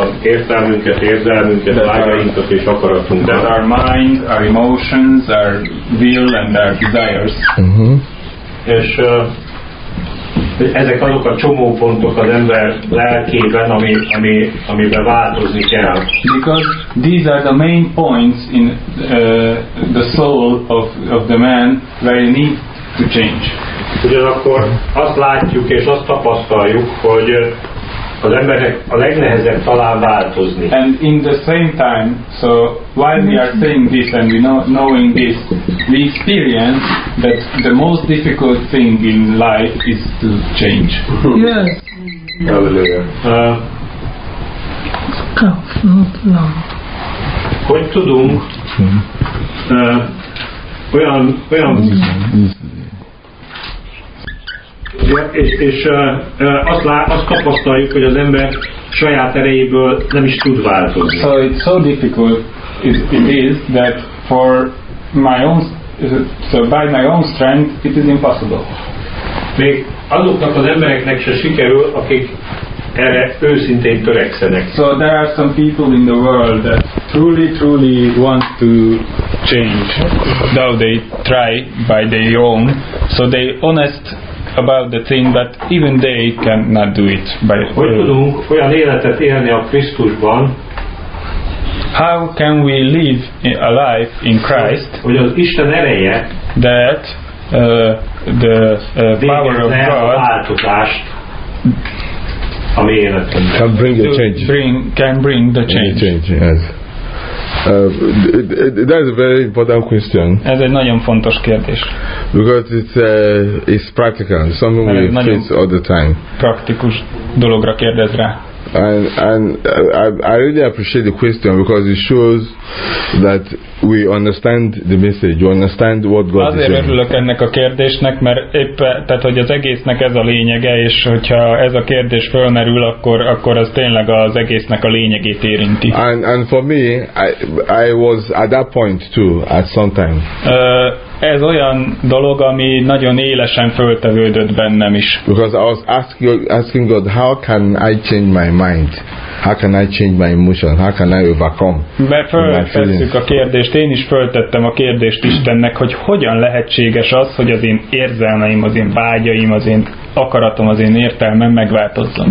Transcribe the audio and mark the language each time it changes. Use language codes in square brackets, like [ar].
[hu] Érzelmünket, vágyainkat és akaratunkat. [en] That our mind, our emotions, our will and our desires. Mm-hmm. [hu] És ezek azok a csomópontok az ember lelkében, amiben változni kell. [en] Because these are the main points in the soul of the man where he needs to change. [hu] Ugyanakkor azt látjuk és azt tapasztaljuk, hogy az embernek a legnehezebb talán változni. [en] And in the same time, so while we are saying this and we knowing this, we experience that the most difficult thing in life is to change. Yes. Hallelujah. [hu] Hogy tudunk olyan ja, azt tapasztaljuk, hogy az ember saját erejéből nem is tud változni. [en] So it's so difficult it is that for my own by my own strength it is impossible. [hu] Még azoknak az embereknek se sikerül, akik erre őszintén törekszenek. [en] So there are some people in the world that truly want to change, though they try by their own, so they honest about the thing, but even they cannot do it. [hu] Hogy tudunk olyan életet élni a Krisztusban? [en] How can we live a life in Christ? [hu] Hogy az Isten ereje, [en] that the power of God, [hu] változást, ami életünkben [en] can bring the change. Can bring the change. That's a very important question. [hu] Ez egy nagyon fontos kérdés. [en] Because it's practical, something we face all the time. [hu] Praktikus dologra kérdez rá. [en] And I really appreciate the question because it shows that we understand the message, we understand what God is saying. [hu] Azért örülök ennek a kérdésnek, mert éppen, tehát hogy az egésznek ez a lényege, és hogyha ez a kérdés fölmerül, akkor az tényleg az egésznek a lényegét érinti. [en] And for me, I was at that point too, at some time. [hu] ez olyan dolog, ami nagyon élesen föltevődött bennem is. [en] Because I was asking God, how can I change my mind? How can I change my emotion? How can I overcome? [hu] Mert föltesszük a kérdést, én is föltettem a kérdést Istennek, hogy hogyan lehetséges az, hogy az én érzelmeim, az én vágyaim, az én akaratom, az én értelmem megváltozzon.